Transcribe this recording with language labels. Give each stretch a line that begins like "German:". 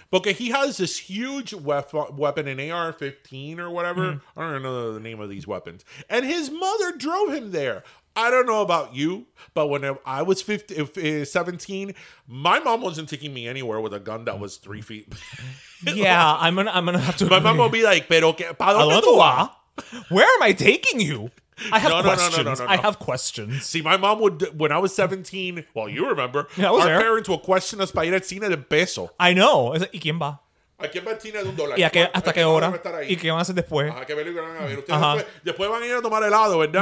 English: Okay, he has this huge weapon, an AR-15 or whatever. Mm-hmm. I don't know the name of these weapons. And his mother drove him there. I don't know about you, but when I was 17, my mom wasn't taking me anywhere with a gun that was 3 feet. Yeah, I'm gonna have to... My mom will be like,
Spanish: pero que, ¿pa dónde tú vas?
English: Where am I taking you? I have questions. See, my mom would, when I was 17, well, you remember, yeah, our there. Parents would question us
Spanish: para ir al cine de peso.
English: I know.
Spanish: Es like, ¿y quién va? ¿A quién va al cine de un dólar? ¿Y hasta qué hora? ¿Y qué van a hacer después? Ajá, ¿qué película van a ver? Después van a ir a tomar helado, ¿verdad?